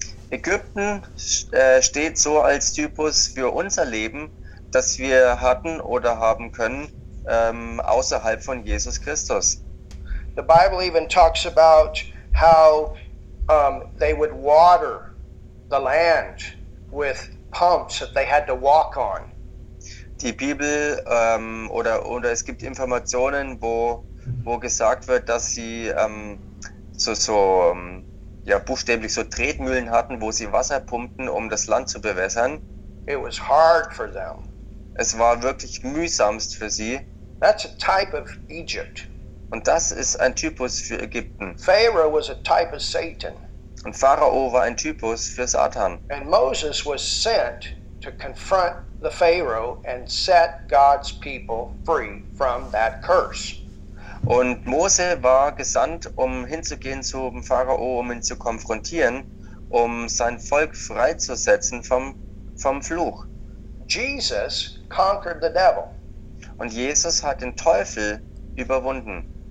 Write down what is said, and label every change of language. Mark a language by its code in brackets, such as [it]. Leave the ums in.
[de] Ägypten äh, steht so als Typus für unser Leben, das wir hatten oder haben können ähm, außerhalb von Jesus Christus. [en] The Bible even talks about how um, they would water the land with pumps that they had to walk on. [de] Die Bibel ähm, oder oder es gibt Informationen, wo wo gesagt wird, dass sie ähm, so so ja buchstäblich so Tretmühlen hatten, wo sie Wasser pumpten, um das Land zu bewässern. [en] It was hard for them. [de] Es war wirklich mühsamst für sie. [en] That's a type of Egypt. [de] Und das ist ein Typus für Ägypten. [en] Pharaoh was a type of Satan. [de] Und Pharao war ein Typus für Satan. [en] And Moses was sent to confront the Pharaoh and set God's people free from that curse. [de] Und Mose war gesandt, um hinzugehen zu Pharao, um ihn zu konfrontieren, um sein Volk freizusetzen vom, vom Fluch. [en] Jesus conquered the devil. Und [de] Jesus hat den Teufel überwunden.